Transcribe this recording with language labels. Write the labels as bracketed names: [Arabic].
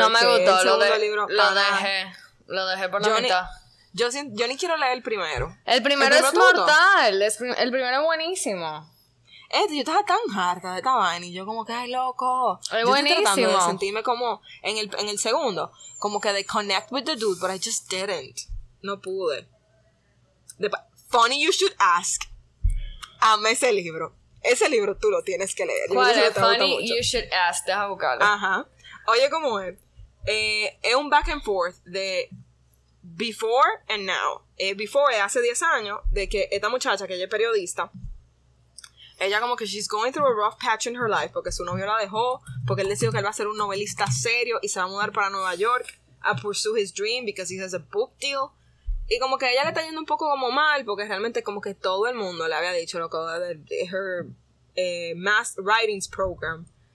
[Spanish] No me gustó. Lo dejé. Lo dejé por la mitad. Yo ni quiero leer el primero. El primero es mortal. El primero es buenísimo. Yo estaba tan harta de Cavani. Yo como que, ay, loco. Es buenísimo. Yo estoy tratando de sentirme como en el segundo. Como que de [English] connect with the dude, but I just didn't. [Spanish] No pude. [English] Funny you should ask. [Spanish] Amé ese libro. Ese libro tú lo tienes que leer. ¿Cuál es? [English] Funny you should ask. [Spanish] Deja buscarlo. Ajá. Oye, ¿cómo es? Es un [English] back and forth de before and now. Before [Spanish] es hace 10 años de que esta muchacha, que ella es periodista, ella como que [English] she's going through a rough patch in her life [Spanish] porque su novio la dejó, porque él decidió que él va a ser un novelista serio y se va a mudar para Nueva York a [English] pursue his dream because he has a book deal. [Spanish] Y como que ella le está yendo un poco como mal porque realmente como que todo el mundo le había dicho lo que [English] her mass writings program.